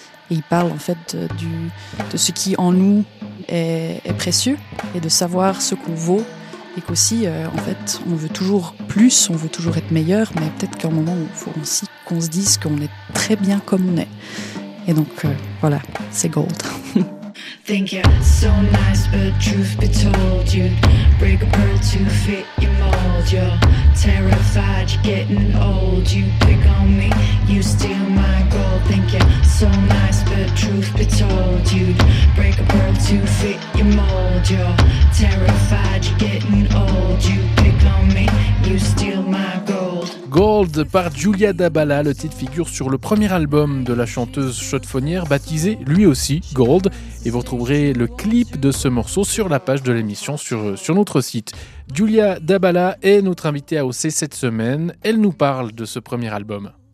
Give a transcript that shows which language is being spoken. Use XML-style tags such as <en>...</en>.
<fr>Et il parle en fait de ce qui en nous est précieux, et de savoir ce qu'on vaut, et qu'aussi, en fait, on veut toujours plus, on veut toujours être meilleur, mais peut-être qu'à un moment, il faut aussi qu'on se dise qu'on est très bien comme on est. Et donc, voilà, c'est Gold.</fr> <en>Think you're so nice, but truth be told, you'd break a pearl to fit your mold. You're terrified, you're getting old. You pick on me, you steal my gold. Think you're so nice, but truth be told, you'd break a pearl to fit your mold. You're terrified, you're getting old. You pick on me, you steal my gold.</en> <fr>Gold par Julia Dabala, le titre figure sur le premier album de la chanteuse chaux-de-fonnière baptisé lui aussi Gold. Et vous retrouverez le clip de ce morceau sur la page de l'émission sur notre site. Julia Dabala est notre invitée à AOC cette semaine. Elle nous parle de ce premier album.</fr>